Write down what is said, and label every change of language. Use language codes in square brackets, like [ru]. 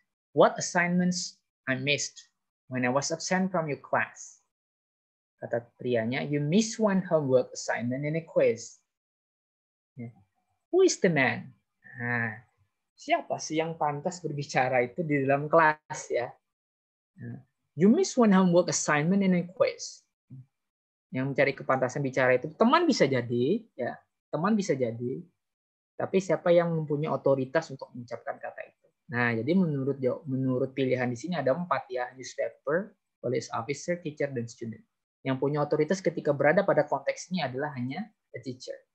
[en] What assignments I missed when I was absent from your class? [id] Kata prianya, [en] you miss one homework assignment and a quiz. Ya. Who is the man? Nah. [id] Siapa sih yang pantas berbicara itu di dalam kelas ya? [en] You miss one homework assignment and a quiz. [id] Yang mencari kepantasan bicara itu teman bisa jadi, ya teman bisa jadi. Tapi siapa yang mempunyai otoritas untuk mengucapkan kata itu? Nah, jadi menurut pilihan di sini ada 4 ya, newspaper, police officer, teacher, dan student. Yang punya otoritas ketika berada pada konteks ini adalah hanya a teacher.